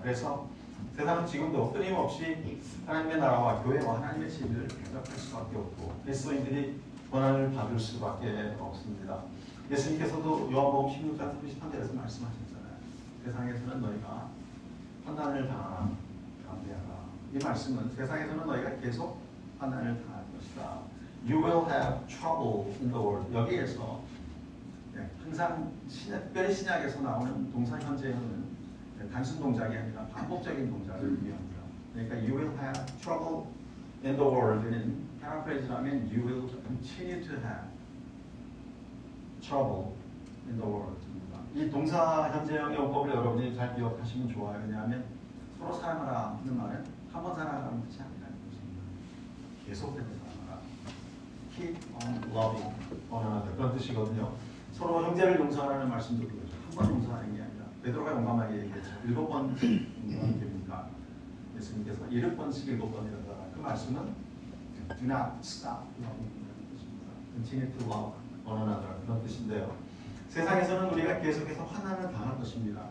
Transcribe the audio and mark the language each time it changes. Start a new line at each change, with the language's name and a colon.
Korean: 그래서 세상은 지금도 끊임없이 하나님의 나라와 교회와 하나님의 진리를 대적할 수밖에 없고 그리스도인들이 고난을 받을 수밖에 없습니다. 예수님께서도 요한복음 16장 33절에서 말씀하셨잖아요. 세상에서는 너희가 환난을 당하라 담대하라. 이 말씀은 세상에서는 너희가 계속 환난을 당할 것이다.
English: You will have trouble in the world.
Korean: 여기에서 항상 특별히 신약에서 나오는 동사 현재형은 단순 동작이 아니라 반복적인 동작을 의미합니다. 그러니까
English: You will have trouble in the world
Korean: 는 paraphrase라면
English: You will continue to have trouble in the world
Korean: 입니다. 이 동사 현재형의 용법을 여러분이 잘 기억하시면 좋아요. 왜냐하면 서로 사랑하라는 말은 한 번 사랑하라는 뜻이 아니라는 것입니다. 계속됩니다.
English: Keep on loving one another.
Korean: 그런 뜻이거든요. 서로 형제를 용서하라는 말씀도 그렇죠. 한 번 용서하는 게 아니라 베드로가 용감하게 얘기했죠. 일곱 번 용서하는 게입니까? 예수님께서 일곱 번씩 일곱 번이라고 그 말씀은
English: Do not stop loving
Korean: 것입니다.
English: Continue to love
Korean: 원하나라 그런 뜻인데요. 세상에서는 우리가 계속해서 환난을 당할 것입니다.